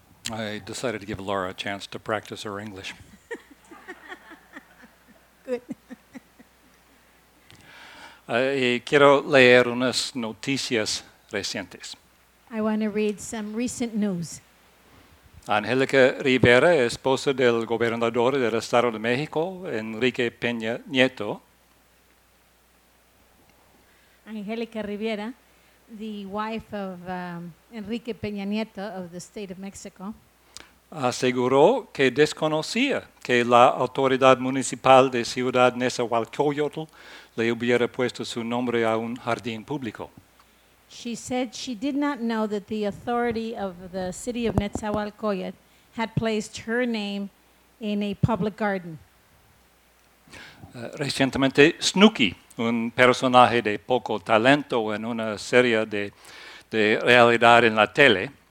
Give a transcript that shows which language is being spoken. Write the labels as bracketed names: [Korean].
[English] I decided to give Laura a chance to practice her English. Good. [Spanish] Y quiero leer unas noticias recientes. [English] I want to read some recent news. [Spanish] Angélica Rivera, esposa del gobernador del Estado de México, Enrique Peña Nieto. [English] Angélica Rivera, the wife of Enrique Peña Nieto of the State of Mexico. [Spanish] Aseguró que desconocía que la autoridad municipal de Ciudad Nezahualcóyotl le hubiera puesto su nombre a un jardín público. [English] She said she did not know that the authority of the city of Nezahualcóyotl had placed her name in a public garden. [Spanish] Recientemente, Snooki, un personaje de poco talento en una serie de realidad en la tele.